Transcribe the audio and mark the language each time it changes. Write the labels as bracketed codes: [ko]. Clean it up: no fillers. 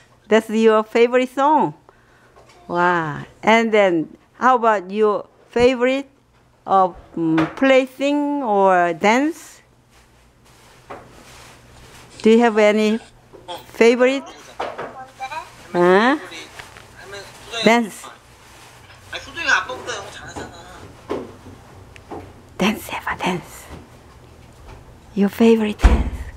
[en] That's your favorite song. Wow. And then how about your favorite plaything or dance? Do you have any favorite? Dance. [ko] 아니, 소정이 아빠보다 영어 잘하잖아. [en] Dance, [ko] 해봐, [en] dance. Your favorite dance.